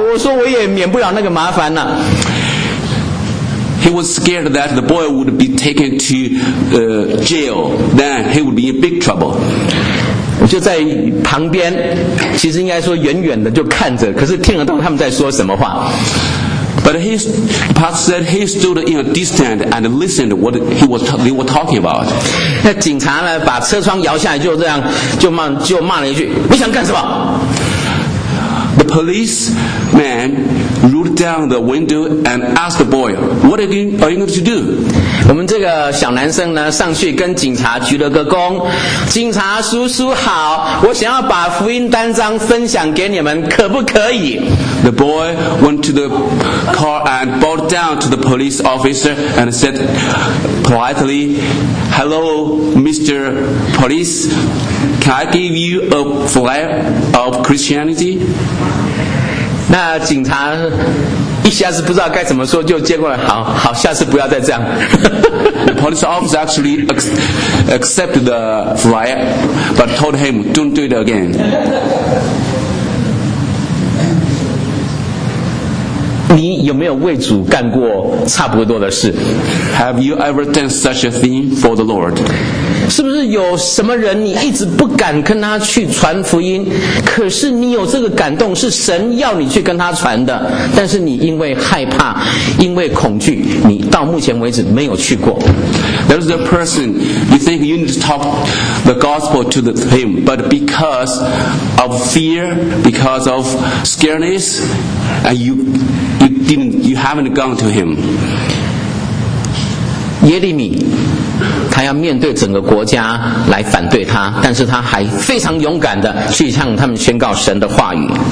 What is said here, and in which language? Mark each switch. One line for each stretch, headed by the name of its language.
Chinese: 我说我也免不了那个麻烦了。
English: He was scared that the boy would be taken to jail. Then he would be in big trouble.
Chinese: 我就在旁边，其实应该说远远的就看着，可是听得到他们在说什么话。
English: But he, Pastor said he stood in a distance and listened what they were talking about.
Chinese: 那警察呢，把车窗摇下来，就这样就骂了一句：“你想干什么？”
English: The police. Man rolled down the window and asked the boy, "What are you going to do?"
Chinese: 我们这个小男生呢，上去跟警察鞠了个躬。警察叔叔好，我想要把福音单张分享给你们，可不可以
English: ？The boy went to the car and bowed down to the police officer and said politely, "Hello, Mr. Police, can I give you a flyer of Christianity?"
Chinese: 那警察一下子不知道该怎么说，就接过来，好，下次不要再这样。
English: The police officer actually accepted the flyer, but told him, "Don't do it again."
Chinese: 你有没有为主干过差不多的事？
English: Have you ever done such a thing for the Lord?
Chinese: 是不是有什么人你一直不敢跟他去传福音，可是你有这个感动，是神要你去跟他传的，但是你因为害怕，因为恐惧，你到目前为止没有去过。
English: There's a person you think you need to talk the gospel to him, but because of fear, because of scaredness, and you haven't gone to him.
Chinese: 耶利米他要面对整个国家来反对他，但是他还非常勇敢的去向他们宣告神的话语。